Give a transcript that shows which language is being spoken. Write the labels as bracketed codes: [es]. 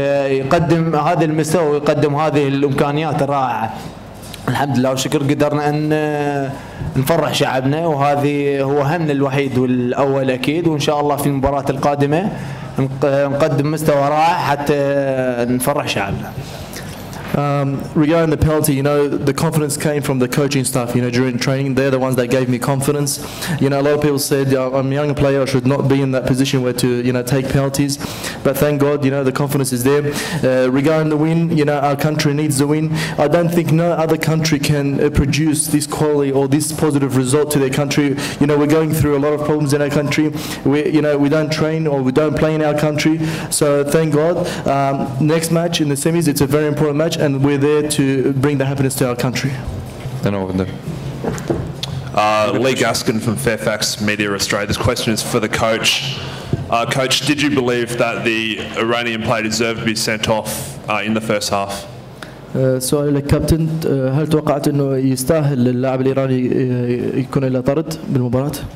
[ar] يقدم هذا المستوى ويقدم هذه الامكانيات الرائعه الحمد لله وشكر قدرنا ان نفرح شعبنا وهذا هو همنا الوحيد والاول اكيد وان شاء الله في المباراه القادمه نقدم مستوى رائع حتى نفرح شعبنا [en] Regarding the penalty, you know, the confidence came from the coaching staff, you know, during training. They're the ones that gave me confidence. You know, a lot of people said, I'm a young player, I should not be in that position where to, you know, take penalties. But thank God, you know, the confidence is there. Regarding the win, you know, our country needs the win. I don't think no other country can produce this quality or this positive result to their country. You know, we're going through a lot of problems in our country. We don't train or we don't play in our country. So thank God. Next match in the semis, it's a very important match. And we're there to bring the happiness to our country. Lee Gaskin from Fairfax Media Australia. This question is for the coach. Coach, did you believe that the Iranian player deserved to be sent off in the first half? [ar] سؤال للكابتن هل توقعت انه يستاهل اللاعب الايراني يكون له طرد بالمباراة؟